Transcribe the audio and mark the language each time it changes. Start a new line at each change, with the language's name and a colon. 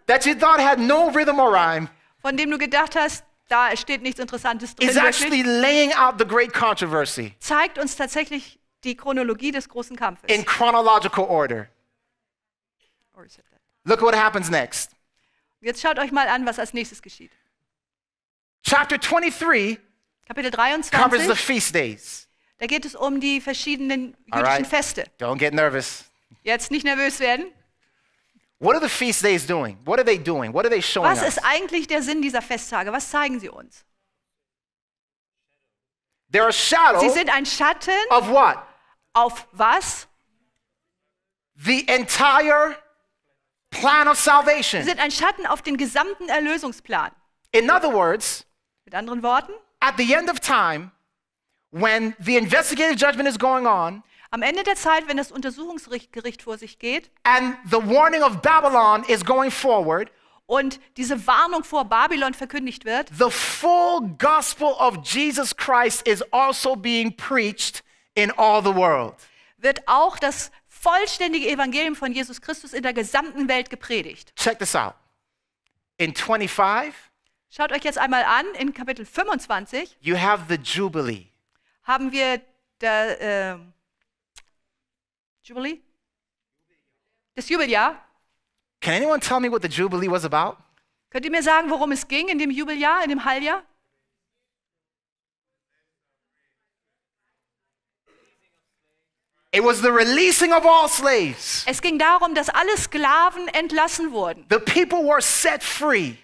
English: That you thought had no rhythm or rhyme.
German: Von dem du gedacht hast, da steht nichts Interessantes drin.
English: Is actually laying out the great controversy.
German: Zeigt uns tatsächlich die Chronologie des großen Kampfes.
English: In chronological order. Or is it that? Look what happens next.
German: Jetzt schaut euch mal an, was als nächstes geschieht.
English: Chapter 23.
German: Kapitel 23.
English: Covers the feast days.
German: Da geht es um die verschiedenen jüdischen
English: right.
German: Feste.
English: Don't get nervous.
German: Jetzt nicht nervös werden.
English: What are the feast days doing? What are they doing? What are they showing
German: Was
English: us?
German: Was ist eigentlich der Sinn dieser Festtage? Was zeigen sie uns?
English: They're a shadow.
German: Sie sind ein Schatten.
English: Of what?
German: Auf was?
English: The entire plan of salvation.
German: Sie sind ein Schatten auf den gesamten Erlösungsplan.
English: In other words,
German: mit anderen Worten,
English: at the end of time, when the investigative judgment is going on,
German: am Ende der Zeit, wenn das Untersuchungsgericht vor sich geht,
English: and the warning of Babylon is going forward,
German: und diese Warnung vor Babylon verkündigt wird,
English: the full gospel of Jesus Christ is also being preached in all the world.
German: Wird auch das vollständige Evangelium von Jesus Christus in der gesamten Welt gepredigt.
English: Check this out. In 25,
German: schaut euch jetzt einmal an, in Kapitel 25,
English: you have the Jubilee.
German: Haben wir der Jubilee? Das Jubeljahr.
English: Can anyone tell me what the Jubilee was about?
German: Könnt ihr mir sagen, worum es ging in dem Jubeljahr, in dem Halbjahr?
English: It was the releasing of all slaves.
German: Es ging darum, dass alle Sklaven entlassen wurden.
English: The people were set free.